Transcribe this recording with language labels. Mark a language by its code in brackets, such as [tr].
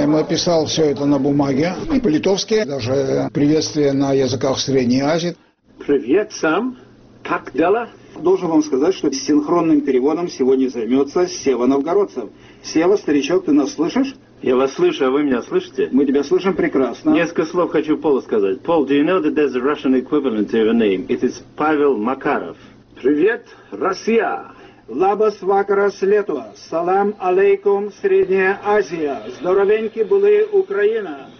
[ru] Ему писал все это на бумаге. И по-литовски, даже приветствие на языках Средней Азии. Привет, Сэм. Как дела? Должен вам сказать, что синхронным переводом сегодня займется Сева Новгородцев. Сева, старичок, ты нас слышишь? Я вас слышу, а вы меня слышите? Мы тебя слышим прекрасно. Несколько слов хочу Полу сказать. Пол, [en] do you know that there's a Russian equivalent to your name? It is Павел Макаров. [ru] Привет, Россия. [lt] Лабас вакара слетва. [ru] Салам алейкум, Средняя Азия. Здоровеньки были, Украина.